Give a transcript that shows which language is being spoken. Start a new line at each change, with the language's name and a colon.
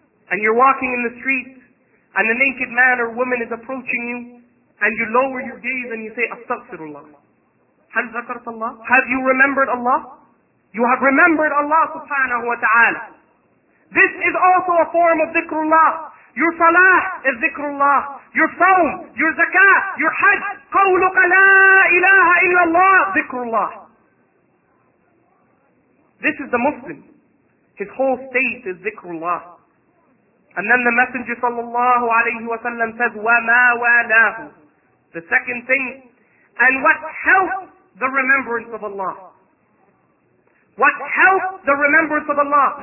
English: And you're walking in the street, and a naked man or woman is approaching you, and you lower your gaze and you say, astaghfirullah.
Arabic: هل ذكرت الله?
English: Have you remembered Allah? You have remembered Allah subhanahu wa ta'ala. This is also a form of dhikrullah. Your salah is dhikrullah. Your sawm, your zakah, your hajj.
Arabic: قولك لا إله إلا الله dhikrullah.
English: This is the Muslim. His whole state is dhikrullah. And then the Messenger sallallahu alayhi wa sallam says,
Arabic: وَمَا وَالَاهُ.
English: The second thing. And what helps the remembrance of Allah. What helps the remembrance of Allah?